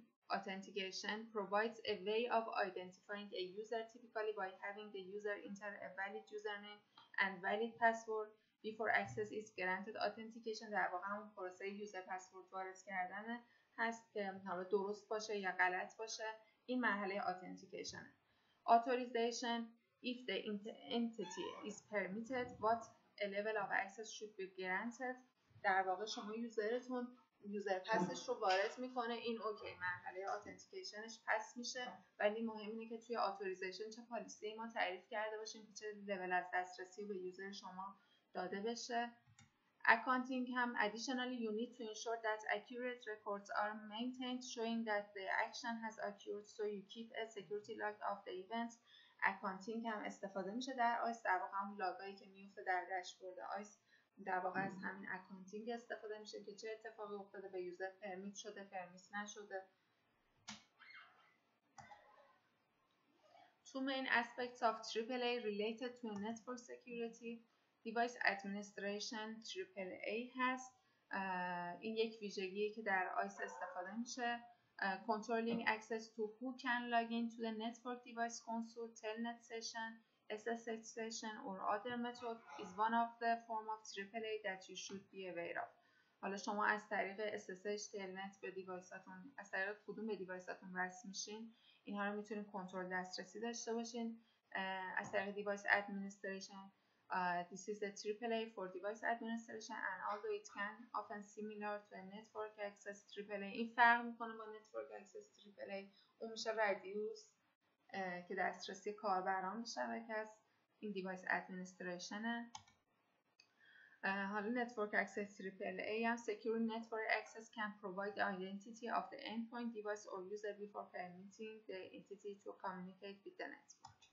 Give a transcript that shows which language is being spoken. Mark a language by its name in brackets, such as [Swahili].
[English] authentication provides a way of identifying a user typically by having the user enter a valid username and valid password before access is granted. [Persian] authentication در واقع همون پروسه user password وارد کردن هست که حالا درست باشه یا غلط باشه، این مرحله authentication. [English] authorization if the entity is permitted what a level of access should be granted. [Persian] در واقع شما یوزرتون یوزر پسش رو وارد میکنه، این اوکی مرحله اتنتیکیشنش پس میشه، ولی مهم اینه که توی اتوریزیشن چه پالیسی ما تعریف کرده باشیم که چه لول از دسترسی به یوزر شما داده بشه. اکانتینگ هم [English] additionally you need to ensure that accurate records are maintained showing that the action has occurred so you keep a security log of the events. [Persian] اکانتینگ هم استفاده میشه در آیس، در واقع هم لاگایی که میفته در داشبورد آیس در واقع از همین اکانتینگ استفاده میشه که چه اتفاقی افتاده، به یوزر پرمیت شده، پرمیت نشده. [English] Two main aspects of AAA related to network security device administration AAA هست. [Persian] این یک ویژگیه که در آیس استفاده میشه. [English] Controlling access to who can log in to the network device console, telnet session, SSH session or other method is one of the form of AAA that you should be aware of. [Persian] حالا شما از طریق SSH telnet به دیوایساتون، از طریق کدوم به دیوایساتون وصل میشین، اینها رو میتونین کنترل دسترسی داشته باشین. از طریق [English] device administration this is the AAA for device administration and although it can often similar to a network access AAA. [Persian] این فرق میکنه با network access AAA، اون میشه رادیوس که دسترسی کاربران به شبکه است، این device administration. حالا [English] network access AAA هم secure network access can provide the identity of the endpoint device or user before permitting the entity to communicate with the network.